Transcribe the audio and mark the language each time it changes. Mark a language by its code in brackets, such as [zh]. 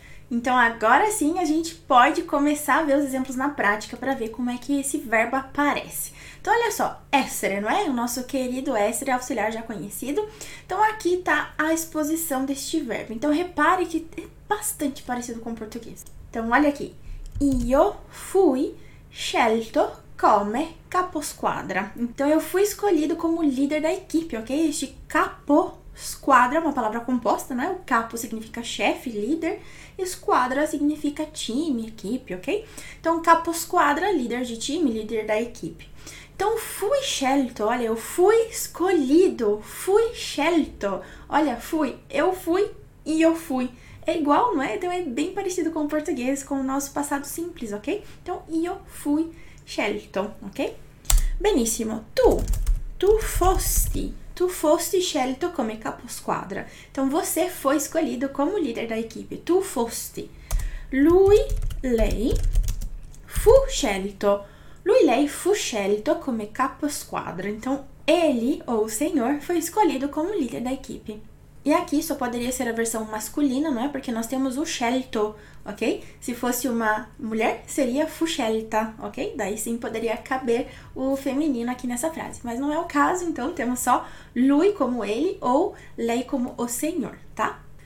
[pt] Então, agora sim, a gente pode começar a ver os exemplos na prática para ver como é que esse verbo aparece. Então, olha só, essere, não é? O nosso querido essere, auxiliar já conhecido. Então, aqui está a exposição deste verbo. Então, repare que é bastante parecido com o português. Então, olha aqui. [it] Io fui scelto come caposquadra. [pt] Então, eu fui escolhido como líder da equipe, ok? Este capo Squadra é uma palavra composta, né? O capo significa chefe, líder, e squadra significa time, equipe, ok? Então, capo squadra, líder de time, líder da equipe. Então, [it] fui scelto, [pt] olha, eu fui escolhido, fui scelto. Olha, fui, eu fui e eu fui. É igual, não é? Então, é bem parecido com o português, com o nosso passado simples, ok? [it] Então, io fui scelto, ok? Benissimo, tu fosti. Tu fosti scelto come caposquadra. [pt] Então você foi escolhido como líder da equipe. [it] Tu fosti. Lui, lei, fu scelto. Lui, lei fu scelto come caposquadra. [pt] Então ele ou o senhor foi escolhido como líder da equipe. E aqui só poderia ser a versão masculina, não é? Porque nós temos o scelto, ok? Se fosse uma mulher, seria [it] fu scelta, [pt] ok? Daí sim poderia caber o feminino aqui nessa frase. Mas não é o caso, então temos só lui como ele ou lei como o senhor, tá?